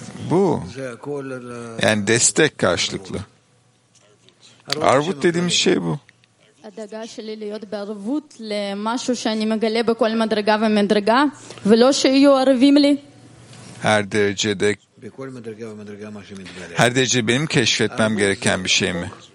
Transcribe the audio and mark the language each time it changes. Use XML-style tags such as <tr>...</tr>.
<tr>Bu. Yani destek karşılıklı. Arvut dediğimiz şey bu.</tr> <he>הדאגה שלי להיות בערבות למשהו שאני מגלה בכל מדרגה ומדרגה ולא שיהיו ערבים לי</he> <tr>her derecede</tr> <he>בכל מדרגה ומדרגה מה שמתגלה</he> <tr>her derecede benim keşfetmem gereken bir şey mi</tr>